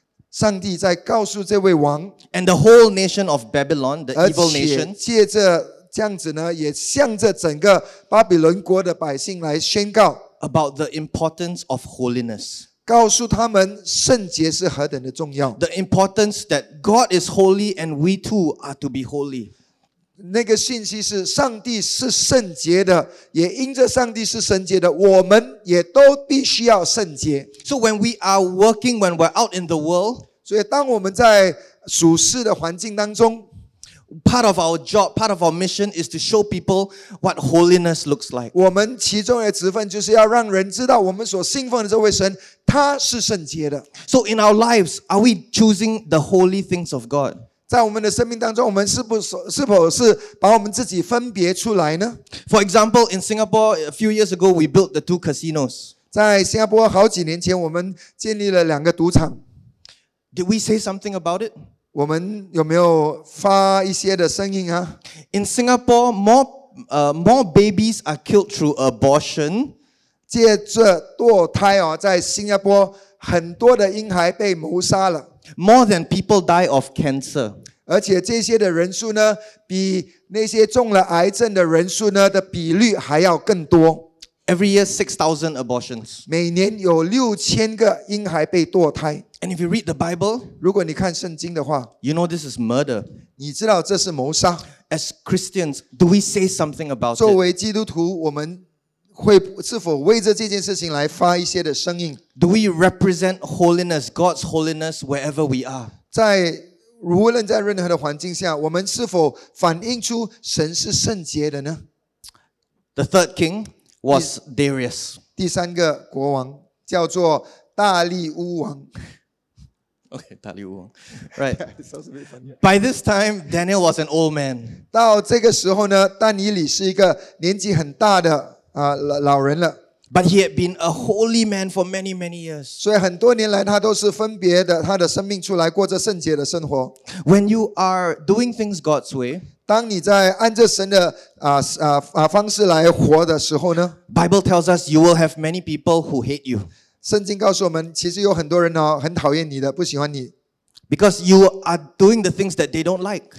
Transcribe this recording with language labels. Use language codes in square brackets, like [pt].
[zh] 上帝在告诉这位王 [en] ，and the whole nation of Babylon, the evil nation， [zh] 借着这样子呢，也向着整个巴比伦国的百姓来宣告 [en] about the importance of holiness， [zh] 告诉他们圣洁是何等的重要 [en] ，the importance that God is holy and we too are to be holy。 [zh] 那个信息是上帝是圣洁的，也因着上帝是圣洁的，我们也都必须要圣洁。 [en] So when we are working, when we're out in the world, [zh] 所以当我们在属世的环境当中， [en] part of our job, part of our mission is to show people what holiness looks like. [zh] 我们其中的职分就是要让人知道我们所信奉的这位神他是圣洁的。 [en] So in our lives, are we choosing the holy things of God? [zh] 在我们的生命当中，我们是否把我们自己分别出来呢 [en] ？For example, in Singapore, a few years ago, we built the two casinos. [zh] 在新加坡好几年前，我们建立了两个赌场。 [en] Did we say something about it? [zh] 我们有没有发一些的声音啊 [en] ？In Singapore, more babies are killed through abortion. [zh] 借着堕胎啊，在新加坡很多的婴孩被谋杀了。 [en] More than people die of cancer. [zh] 而且这些的人数呢，比那些中了癌症的人数呢的比率还要更多。 [en] Every year 6,000 abortions. [zh] 每年有6,000个婴孩被堕胎。 [en] And if you read the Bible, [zh] 如果你看圣经的话， [en] you know this is murder. [zh] 你知道这是谋杀。 [en] As Christians, do we say something about it? [zh] 作为基督徒，我们会是否为着这件事情来发一些的声音 [en] ？Do we represent holiness, God's holiness, wherever we are？ [zh] 在无论在任何的环境下，我们是否反映出神是圣洁的呢 [en] ？The third king was Darius. [zh] 第三个国王叫做大力乌王。 [en] Okay, 大力乌王 ，right? By this time, Daniel was an old man. [zh] 到这个时候呢，但以理是一个年纪很大的。老人了。 [en] But he had been a holy man for many, many years. [zh] 所以很多年来他都是分别的他的生命出来过着圣洁的生活。 [en] When you are doing things God's way, [zh] 当你在按着神的方式来活的时候呢 [en] ,Bible tells us you will have many people who hate you. [zh] 圣经告诉我们其实有很多人哦很讨厌你的不喜欢你。 [en] Because you are doing the things that they don't like.